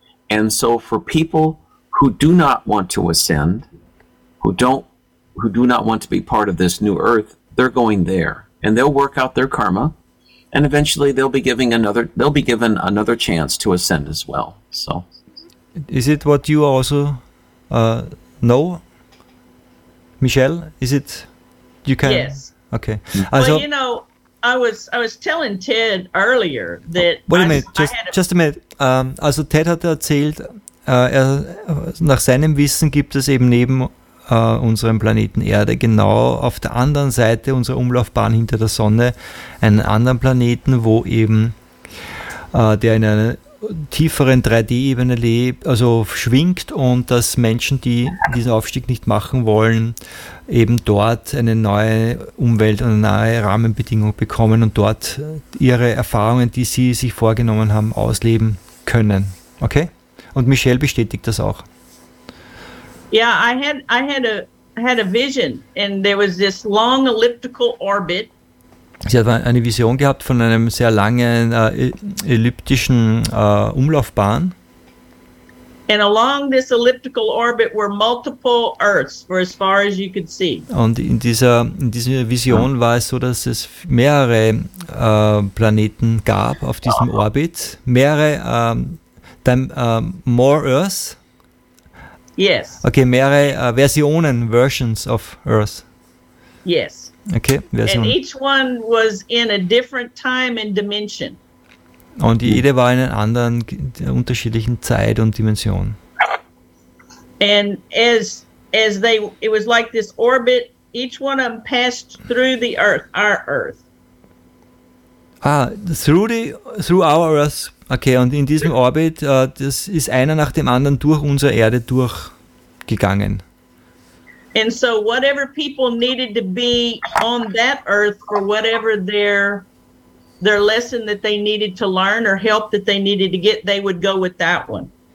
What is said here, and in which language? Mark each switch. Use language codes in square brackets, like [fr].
[en] And so for people who do not want to ascend, who do not want to be part of this new earth, they're going there, and they'll work out their karma, and eventually they'll be given another chance to ascend as well. So is it what you also know, Michelle? Is it you can? Yes. Okay. Mm-hmm. Well, you know, I was telling Ted earlier that. Wait a minute. Just a minute. [de] Also Ted hat erzählt, nach seinem Wissen gibt es eben neben unserem Planeten Erde genau auf der anderen Seite unserer Umlaufbahn hinter der Sonne einen anderen Planeten, wo eben der in einer tieferen 3D-Ebene lebt, also schwingt, und dass Menschen, die diesen Aufstieg nicht machen wollen, eben dort eine neue Umwelt und eine neue Rahmenbedingung bekommen und dort ihre Erfahrungen, die sie sich vorgenommen haben, ausleben können. Okay? Und Michelle bestätigt das auch. [en] Yeah, I had a vision, and there was this long elliptical orbit. [de] Sie hat eine Vision gehabt von einem sehr langen elliptischen Umlaufbahn. [en] And along this elliptical orbit were multiple Earths, for as far as you could see. [de] Und in dieser Vision war es so, dass es mehrere Planeten gab auf diesem Orbit, mehrere [en] more Earths. Yes. [de] Okay, mehrere [en] Versions of Earth. Yes. Okay, [de] Versionen. [en] And each one was in a different time and dimension. [de] Und jede war in einer anderen, unterschiedlichen Zeit und Dimension. [en] And as they, it was like this orbit, each one of them passed through the Earth, our Earth. Ah, through our Earth. [de] Okay, und in diesem Orbit, das ist einer nach dem anderen durch unsere Erde durch. Gegangen. [en] And so whatever people needed to be on that earth for whatever their lesson that they needed to learn or help that they needed to get, they would go with that one.